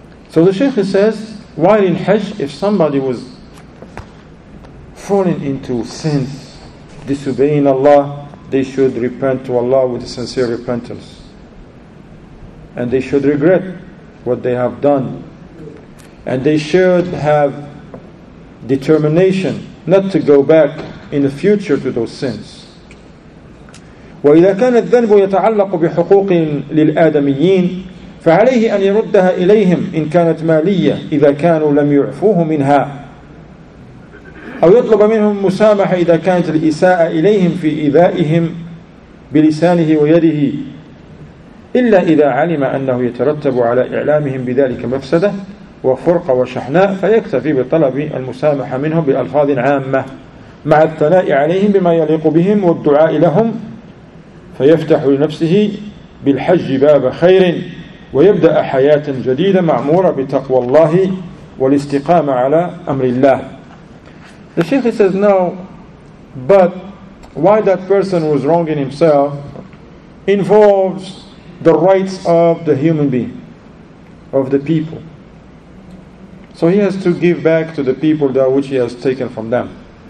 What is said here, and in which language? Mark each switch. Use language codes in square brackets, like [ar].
[en] So the Shaykh says, while in Hajj, if somebody was falling into sins, disobeying Allah, they should repent to Allah with a sincere repentance. And they should regret what they have done. And they should have determination not to go back in the future to those sins. [ar] وَإِذَا كَانَ الذَّنْبُ يَتَعَلَّقُ بِحُقُوقٍ لِلْآدَمِيِّينَ فَعَلَيْهِ أَنْ يَرُدَّهَا إِلَيْهِمْ إِنْ كَانَتْ مَالِيَّةً إِذَا كَانُوا لَمْ يُعْفُوهُ مِنْهَا أو يطلب منهم مسامحة إذا كانت الإساءة إليهم في إيذائهم بلسانه ويده إلا إذا علم أنه يترتب على إعلامهم بذلك مفسدة وفرقة وشحناء فيكتفي بطلب المسامحة منهم بألفاظ عامة مع الثناء عليهم بما يليق بهم والدعاء لهم فيفتح لنفسه بالحج باب خير ويبدأ حياة جديدة معمورة بتقوى الله والاستقامة على أمر الله. [en] The Shaykh says, no, but why that person was wronging himself involves the rights of the human being, of the people. So he has to give back to the people that which he has taken from them.